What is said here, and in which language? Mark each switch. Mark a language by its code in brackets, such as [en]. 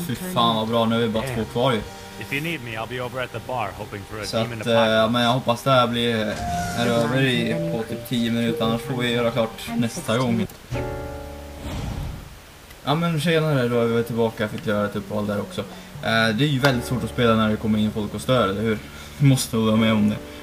[sv] Fy fan vad bra, nu är vi bara två kvar ju. [en] If you need me, I'll be over at the bar hoping for a team in the pack. [sv] Men jag hoppas det här blir är över i på typ 10 minuter, annars får vi göra klart nästa gång. Ja men senare då är vi tillbaka, fick göra ett uppehåll där också. Det är ju väldigt svårt att spela när det kommer in folk och stör, eller hur? Vi måste hålla med om det.